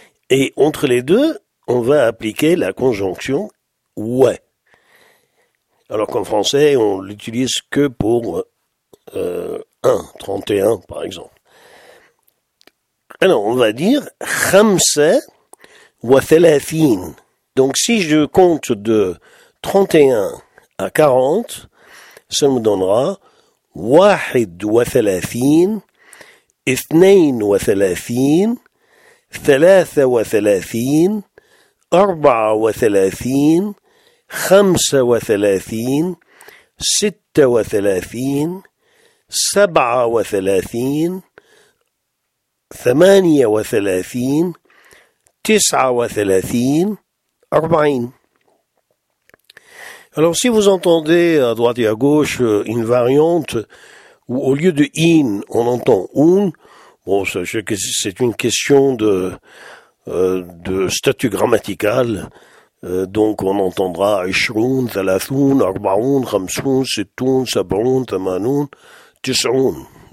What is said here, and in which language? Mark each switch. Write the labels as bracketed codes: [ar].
[fr] Et entre les deux, on va appliquer la conjonction « ouais ». Alors qu'en français, on l'utilise que pour 1, 31 par exemple. Alors, on va dire « [ar] khamsa wa thalathin ». [fr] Donc si je compte de 31 à 40, ça me donnera « [ar] واحد وثلاثين اثنين وثلاثين ثلاثة وثلاثين أربعة وثلاثين خمسة وثلاثين ستة وثلاثين سبعة وثلاثين ثمانية وثلاثين تسعة وثلاثين أربعين. [fr] Alors, si vous entendez à droite et à gauche une variante où au lieu de « in », on entend « un », bon, c'est une question de statut grammatical, donc on entendra « ishrun »,« thalathun »,« arbaun », »,« khamsun », »,« sittun », »,« sabrun », »,« thamanun », »,« tisrun ».